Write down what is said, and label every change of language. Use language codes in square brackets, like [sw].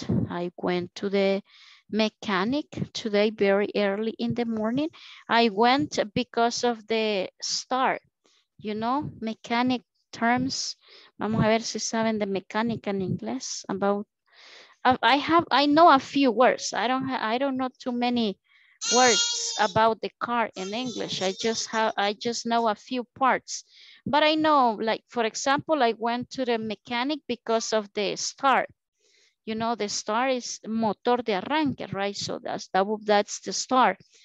[en] I went to the mechanic today very early in the morning. I went because of the start, you know, mechanic terms. [es] Vamos a ver si saben de mecánica en inglés. [en] About I know a few words. I don't know too many words about the car in English. I just know a few parts. But I know, like, for example, I went to the mechanic because of the start. You know, the star is [es] motor de arranque, [en] right? So that's the star.